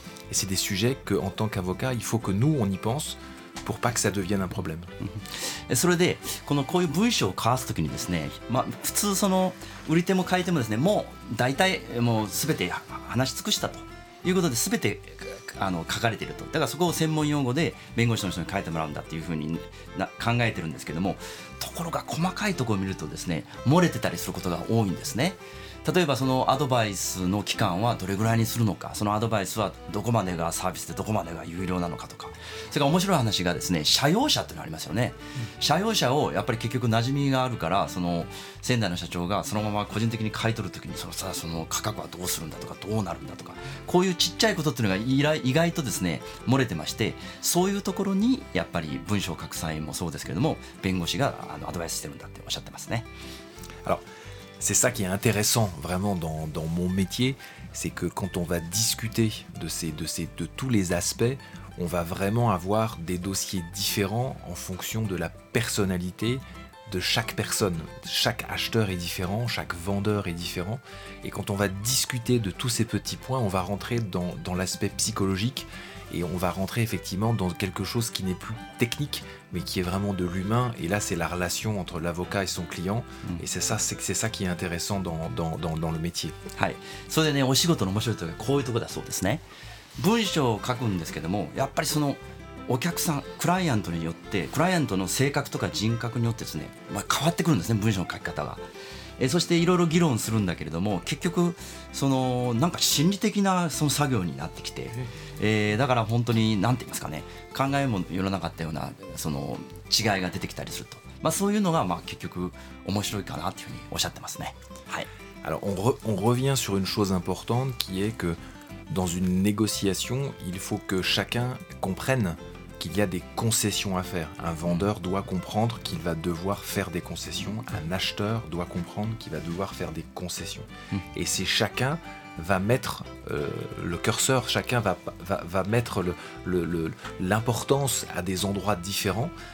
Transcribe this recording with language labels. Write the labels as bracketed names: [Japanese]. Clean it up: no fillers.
[French] Et c'est des sujets que, en tant qu'avocat, il faut que nous, on y pense pour pas que ça devienne un problème. [Japanese] Et それで、このこういう文章を交わすときにですね、まあ、普通その売り手も買い手もですね、もう大体もう全て話し尽くしたということで、全て書かれていると。だからそこを専門用語で弁護士の人に書いてもらうんだっていうふうに考えてるんですけども、ところが細かいところを見るとですね、漏れてたりすることが多いんですね。例えばそのアドバイスの期間はどれぐらいにするのか、そのアドバイスはどこまでがサービスでどこまでが有料なのかとか、それから面白い話がですね、社用車ってのありますよね、社用車をやっぱり結局馴染みがあるから、その仙台の社長がそのまま個人的に買い取るときに、そのさ、その価格はどうするんだとか、どうなるんだとか、こういうちっちゃいことっていうのが意外とですね漏れてまして、そういうところにやっぱり文章書く際もそうですけれども、弁護士がアドバイスしてるんだっておっしゃってますね。 [French] C'est ça qui est intéressant vraiment dans mon métier, c'est que quand on va discuter de tous les aspects, on va vraiment avoir des dossiers différents en fonction de la personnalité de chaque personne. Chaque acheteur est différent, chaque vendeur est différent. Et quand on va discuter de tous ces petits points, on va rentrer dans l'aspect psychologique et on va rentrer effectivement dans quelque chose qui n'est plus technique, mais qui est vraiment de l'humain. Et là, c'est la relation entre l'avocat et son client. Et c'est ça qui est intéressant dans le métier. [Japanese] はい。それでね、お仕事の面白いところはこういうところだそうですね。文章を書くんですけども、やっぱりそのお客さん、クライアントによって、クライアントの性格とか人格によってですね、まあ、変わってくるんですね、文章の書き方が。そしていろいろ議論するんだけれども、結局そのなんか心理的なその作業になってきて、だから本当に何て言いますかね、考えもよらなかったようなその違いが出てきたりすると、まあ、そういうのがまあ結局面白いかなというふうにおっしゃってますね。はい。 [French] Alors, on revient sur une chose importante qui est que dans une négociation, il faut que chacun comprenne qu'il y a des concessions à faire. Un vendeur doit comprendre qu'il va devoir faire des concessions. Un acheteur doit comprendre qu'il va devoir faire des concessions. Et c'est chacun va mettre le curseur, chacun va mettre l'importance à des endroits différents.